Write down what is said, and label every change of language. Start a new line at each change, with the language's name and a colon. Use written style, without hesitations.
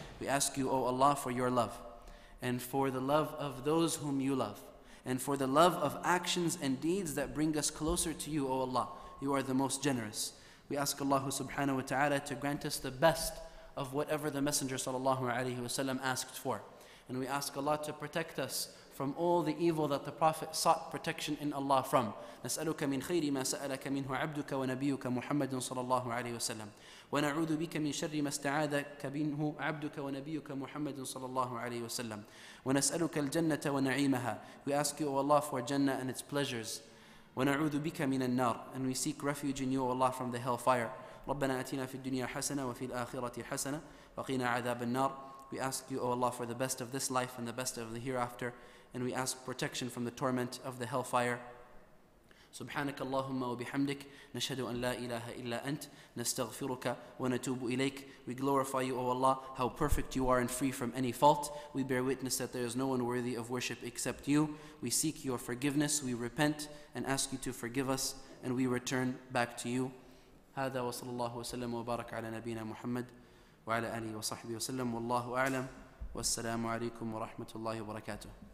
English: We ask you, O Allah, for your love, and for the love of those whom you love, and for the love of actions and deeds that bring us closer to you, O Allah. You are the most generous. We ask Allah subhanahu wa ta'ala to grant us the best of whatever the Messenger sallallahu alayhi wa sallam asked for. And we ask Allah to protect us from all the evil that the Prophet sought protection in Allah from.
Arabic: نسألك من خير ما سألك منه عبدك ونبيك محمد صلى الله عليه وسلم ونعوذ بك من شر ما استعاذك منه عبدك ونبيك محمد صلى الله عليه وسلم ونسألك الجنة ونعيمها.
English: We ask you, O Allah, for Jannah and its pleasures.
Arabic: ونعوذ بك من النار.
English: And we seek refuge in you, O Allah, from the hellfire.
Arabic: ربنا أتينا في الدنيا حسنة وفي الآخرة حسنة وقنا عذاب النار.
English: We ask you, O Allah, for the best of this life and the best of the hereafter. And we ask protection from the torment of the hellfire.
Arabic: سبحانك اللهم وبحمدك نشهد أن لا إله إلا أنت نستغفرك ونتوب إليك.
English: We glorify you, O Allah, how perfect you are and free from any fault. We bear witness that there is no one worthy of worship except you. We seek your forgiveness. We repent and ask you to forgive us. And we return back to you.
Arabic: هذا وصلى الله وسلم وبارك على نبينا محمد وعلى آله وصحبه وسلم والله أعلم والسلام عليكم ورحمة الله وبركاته.